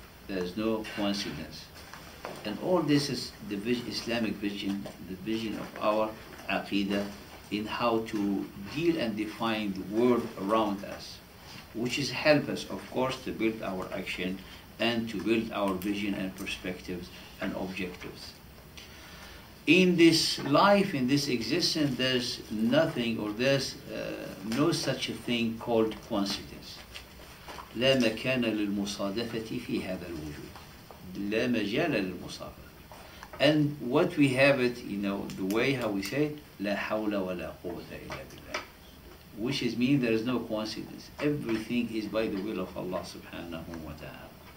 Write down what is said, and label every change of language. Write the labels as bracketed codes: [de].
[en] There is no coincidence. And all this is the Islamic vision, the vision of our aqidah, in how to deal and define the world around us, which is help us, of course, to build our action and to build our vision and perspectives and objectives. In this life, in this existence, there's nothing or there's no such a thing called coincidence. [ar] لا مكان للمصادفة في هذا الوجود. لا مجال للمصادفة. [en] And what we have it, you know, the way how we say it, [ar] لا حول ولا قوة إلا بالله. [en] Which is mean there is no coincidence. Everything is by the will of Allah subhanahu wa ta'ala.